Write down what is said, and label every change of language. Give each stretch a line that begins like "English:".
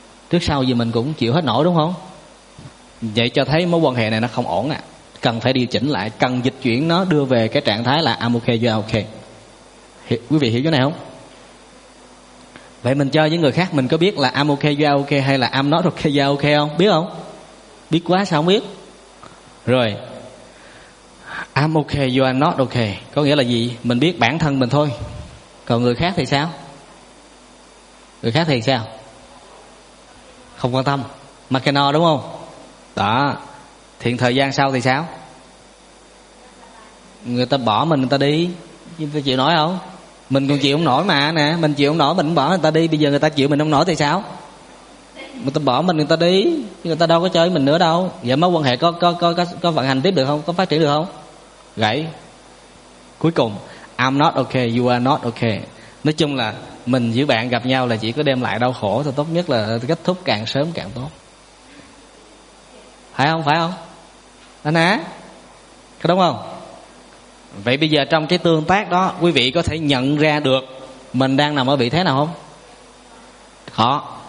Vietnamese: Trước sau gì mình cũng chịu hết nổi đúng không? Vậy cho thấy mối quan hệ này nó không ổn à. Cần phải điều chỉnh lại, cần dịch chuyển nó, đưa về cái trạng thái là
English: I'm okay, you're okay.
Vietnamese: Quý vị hiểu chỗ này không? Vậy mình chơi với người khác, mình có biết là
English: I'm okay, you're okay
Vietnamese: hay là
English: I'm not okay, you're okay
Vietnamese: không? Biết không? Biết quá sao không biết?
English: Rồi I'm okay, you are not okay.
Vietnamese: Có nghĩa là gì? Mình biết bản thân mình thôi. Còn người khác thì sao? Người khác thì sao? Không quan tâm. Mà cái no đúng không? Đó. Thì thời gian sau thì sao? Người ta bỏ mình, người ta đi. Chị chịu nói không? Mình còn chịu không nổi mà nè, mình chịu không nổi mình cũng bỏ người ta đi, bây giờ người ta chịu mình không nổi thì sao? Người ta bỏ mình người ta đi, người ta đâu có chơi mình nữa đâu. Vậy mối quan hệ có vận hành tiếp được không? Có phát triển được không? Gãy. Cuối cùng,
English: I'm not okay, you are not okay.
Vietnamese: Nói chung là mình giữa bạn gặp nhau là chỉ có đem lại đau khổ thì tốt nhất là kết thúc càng sớm càng tốt. Phải không? Phải không? Anh á? Có đúng không? Vậy bây giờ trong cái tương tác đó, quý vị có thể nhận ra được mình đang nằm ở vị thế nào không? Khó.